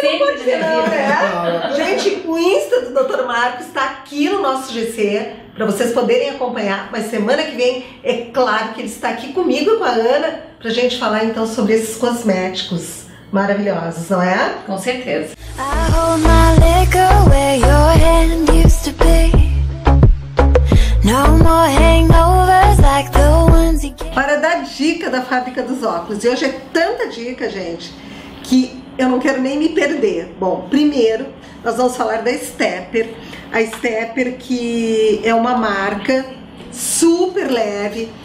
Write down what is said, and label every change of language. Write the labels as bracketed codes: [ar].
[pt] sempre. Não pode ser, não, né? Gente, o Insta do Dr. Marco está aqui no nosso GC pra vocês poderem acompanhar, mas semana que vem é claro que ele está aqui comigo e com a Ana pra gente falar então sobre esses cosméticos maravilhosos, não é? Com certeza. [en] I hold my liquor where your hand used to be. No more hangovers like the ones you get. [pt] Para dar dica da fábrica dos óculos. E hoje é tanta dica, gente, que eu não quero nem me perder. Bom, primeiro, nós vamos falar da Stepper. A Stepper, que é uma marca super leve.